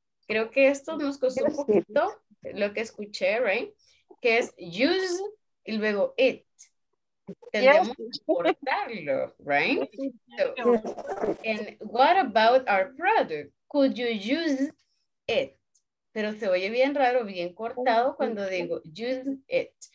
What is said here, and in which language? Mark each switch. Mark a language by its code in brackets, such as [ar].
[es] Creo que esto nos costó un poquito lo que escuché, right? Que es use y luego it. Tendemos a cortarlo, [en] right? So, and what about our product? Could you use it? [es] Pero se oye bien raro, bien cortado cuando digo use it.